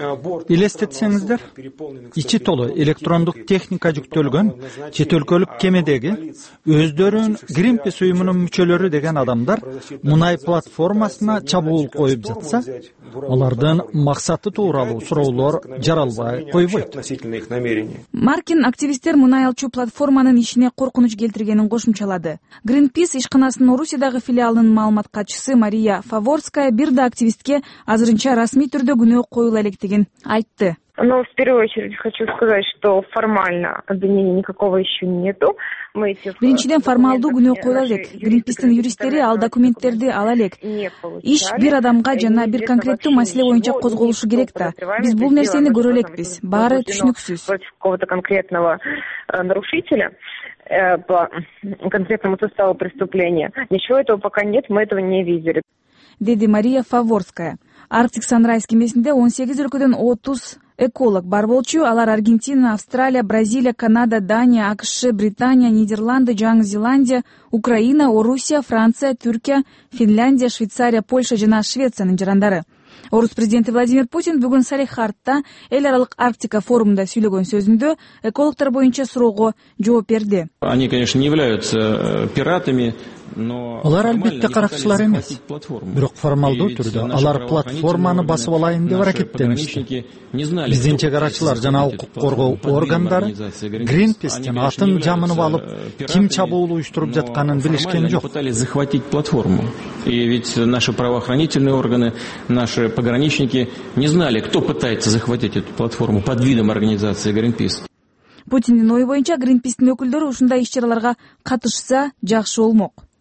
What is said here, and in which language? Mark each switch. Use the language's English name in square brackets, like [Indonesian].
[Kyrgyz] борт элестетсеңиздер, ичи толу электрондук техника жүктөлгөн чет өлкөлүк кемедеги өздөрүн Гринпис уюмунун мүчөлөрү деген адамдар мунай платформасына чабуул коюп жатса, алардын максаты тууралуу суроолор жаралбай койбойт. Маркин активисттер мунай алчуу платформанын ишине коркунуч келтиргенин кошумчалады. Гринпис ишканасынын Орусиядагы филиалынын маалымат катчысы Мария Фаворская бир да активистке азырынча расмий түрдө күнөө коюла электигин айтты. [Russian] Но в первую очередь хочу сказать, что формально обвинения никакого еще нету. [Kyrgyz] Биринчиден формалдуу күнөө коюла элек. Гринпистин юристтери ал документтерди ала элек. Иш бир адамга жана бир конкреттүү маселе боюнча козголушу керек да. Биз бул нерсени көрө элекпиз. Баары түшүнүксүз. [Russian] Против какого-то конкретного нарушителя. По конкретному составу преступления. Ничего этого пока нет, мы этого не видели. [Kyrgyz] Деди Мария Фаворская. Арктик Санрайз кемесинде 18 өлкөдөн 30 эколог бар болчу. Алар Аргентина, Австралия, Бразилия, Канада, Дания, АКШ, Британия, Нидерланды, Жаңы Зеландия, Украина, Орусия, Франция, Түркия, Финляндия, Швейцария, Польша жана Швециянын жарандары. Орус президенти Владимир Путин бүгүн Салехардта эл аралык Арктика форумунда сүйлөгөн сөзүндө экологтор боюнча суроого жооп берди. [Russian] Они, конечно, не являются пиратами. [Kyrgyz] Алар албетте каракчылар эмес, бирок формалдуу түрдө алар платформаны басып алайын деп аракеттеништи. Биздин чек аракчылар жана укук коргоо органдары Гринпистин атын жамынып алып, ким чабуул уюштуруп жатканын билишкен жок. [Russian] Захватить платформу. И ведь наши правоохранительные органы, наши пограничники не знали, кто пытается захватить эту платформу под видом организации Greenpeace. [Kyrgyz] Путиндин ою боюнча Гринпистин өкүлдөрү ушундай иш-чараларга катышса жакшы болмок.